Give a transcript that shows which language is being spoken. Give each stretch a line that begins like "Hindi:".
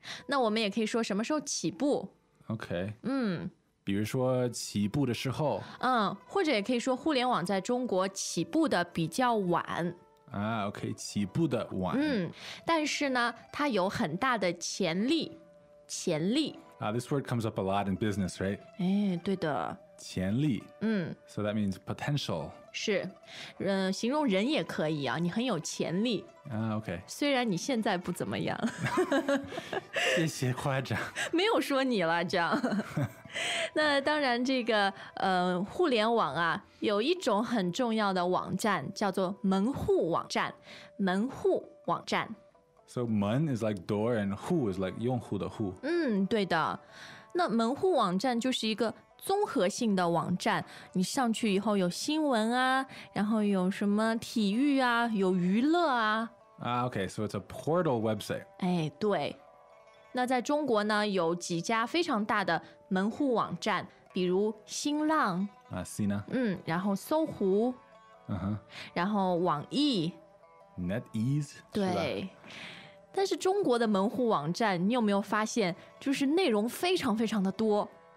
Chinese: 那我们也可以说什么时候起步。 OK。 比如说起步的时候。或者也可以说互联网在中国起步的比较晚。 OK， 起步的晚。但是呢，它有很大的潜力，潜力。
English: This word comes up a lot in business, right?
Chinese: 对的。潜力。
English: So that means potential.
Chinese: 是，形容人也可以啊，你很有潜力。 OK。虽然你现在不怎么样。谢谢夸奖。没有说你了，这样。那当然这个互联网啊，有一种很重要的网站叫做门户网站，门户网站。
English: So 门 is like door and户 is like
Chinese: 用户的户。对的。那门户网站就是一个综合性的网站，你上去以后有新闻啊，然后有什么体育啊，有娱乐啊。
English: Okay, so it's a portal website.
Chinese: 对。那在中国呢，有几家非常大的门户网站，比如新浪啊，Sina，然后搜狐，然后网易，NetEase，对。但是中国的门户网站，你有没有发现，就是内容非常非常的多？